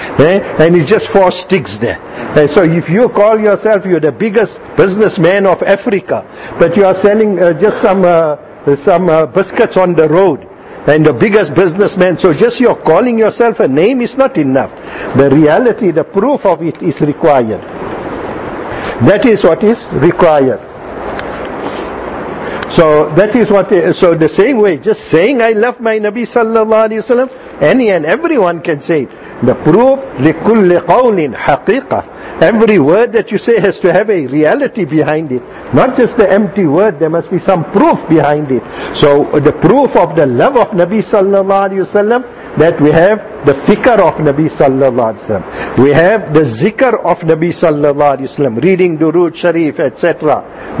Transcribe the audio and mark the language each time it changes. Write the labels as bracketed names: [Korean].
[English] And it's just four sticks there. So if you call yourself, you're the biggest businessman of Africa, but you are selling just some biscuits on the road, and the biggest businessman, so just you're calling yourself a name is not enough. The reality, the proof of it is required. That is what is required. So that is what. So the same way, just saying I love my Nabi sallallahu alayhi wa sallam, any and everyone can say it. The proof, [Arabic] لِكُلِّ قَوْلٍ حَقِيقَةً. [English] Every word that you say has to have a reality behind it. Not just the empty word, there must be some proof behind it. So the proof of the love of Nabi sallallahu alayhi wa sallam, that we have the fikr of Nabi sallallahu alayhi wa sallam. We have the zikr of Nabi sallallahu alayhi wa sallam, reading Durood Sharif, etc.